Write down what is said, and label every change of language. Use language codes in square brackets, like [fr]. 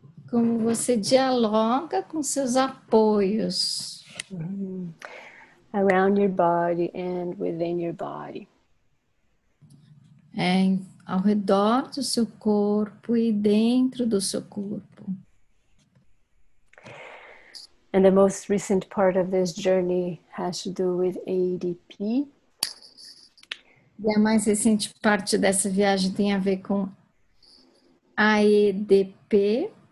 [pt] Como você dialoga com seus apoios. [en] Mm-hmm. Around your body and within your body. [pt] É, ao redor do seu corpo e dentro do seu corpo. [en] And the most recent part of this journey has to do with ADP. [pt] E a mais recente parte dessa viagem tem a ver com AEDP.